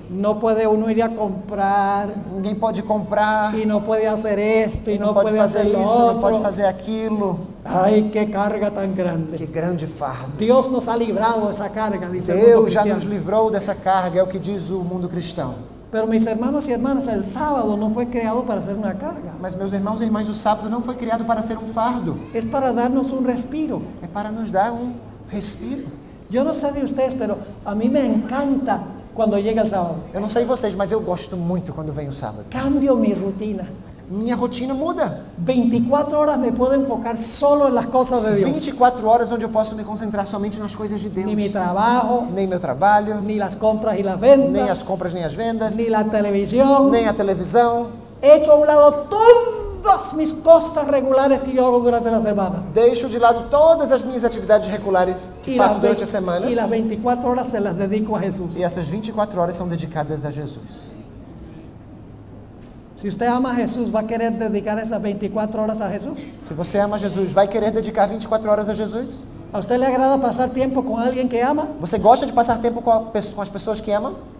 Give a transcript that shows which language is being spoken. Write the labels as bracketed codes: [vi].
[pt] Não pode um ir a comprar. Ninguém pode comprar. E não pode fazer isto, e não pode fazer isso, outro. Não pode fazer aquilo. Ai, que carga tão grande. Que grande fardo. Deus nos ha livrado dessa carga, diz Deus já nos livrou dessa carga, é o que diz o mundo cristão. [es] Pero mis hermanos y hermanas, el sábado no fue creado para ser una carga. [pt] Mas meus irmãos e irmãs, o sábado não foi criado para ser um fardo. [es] Es para darnos un respiro. [pt] É para nos dar um respiro. [es] Yo no sé de ustedes, pero a mí me encanta cuando llega el sábado. [pt] Eu não sei vocês, mas eu gosto muito quando vem o sábado. [es] Cambio mi rutina. [pt] Minha rotina muda. [es] 24 horas me puedo enfocar solo en las cosas de Dios. [pt] 24 horas onde eu posso me concentrar somente nas coisas de Deus. [es] Ni mi trabajo, [pt] nem meu trabalho, [es] ni las compras y las vendas, [pt] nem as compras nem as vendas, [es] ni la televisión, [pt] nem a televisão. [es] Echo a un lado todas mis cosas regulares que yo hago durante la semana. [pt] Deixo de lado todas as minhas atividades regulares que faço durante a semana. [es] Y las 24 horas se las dedico a Jesús. [pt] E essas 24 horas são dedicadas a Jesus. Se você ama Jesus, vai querer dedicar essas 24 horas a Jesus? Se você ama Jesus, vai querer dedicar 24 horas a Jesus? A você lhe agrada passar tempo com alguém que ama? Você gosta de passar tempo com as pessoas que ama?